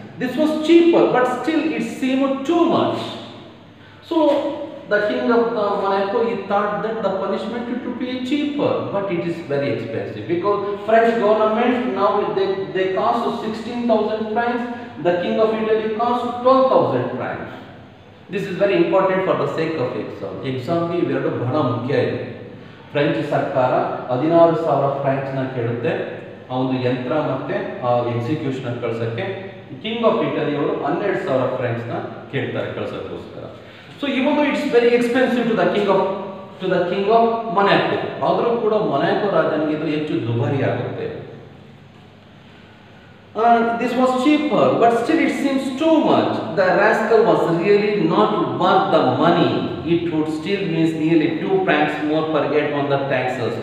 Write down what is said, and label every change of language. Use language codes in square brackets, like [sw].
[en] This was cheaper, but still it seemed too much. So the king of the Monaco, he thought that the punishment should be cheaper, but it is very expensive, because French government, now they cost 16,000 francs, the king of Italy cost 12,000 francs. This is very important for the sake of exam. [kn] Exam ki veradu bahala mukhya ide. French ಸರ್ಕಾರ 16,000 ಫ್ರಾನ್ಸ್ನ ಕೇಳುತ್ತೆ ಆ ಒಂದು ಯಂತ್ರ ಮತ್ತು ಆ execution ಕಳ್ಸೋಕ್ಕೆ. King of ಇಟಲಿಯವರು 12,000 ಫ್ರಾನ್ಸ್ನ ಕೇಳ್ತಾರೆ ಕಳ್ಸೋಕ್ಕೋಸ್ಕರ. [en] So ಇವನು it's very expensive to the king of Monaco. [kn] ಆದರೂ ಕೂಡ ಮೊನಾಕೊ ರಾಜನಿಗೆ ಇದು ಹೆಚ್ಚು ದುಬಾರಿ ಆಗುತ್ತೆ. [en] This was cheaper, but still it seems too much. The rascal was really not worth the money. It would still means nearly 2 francs more per head on the taxes.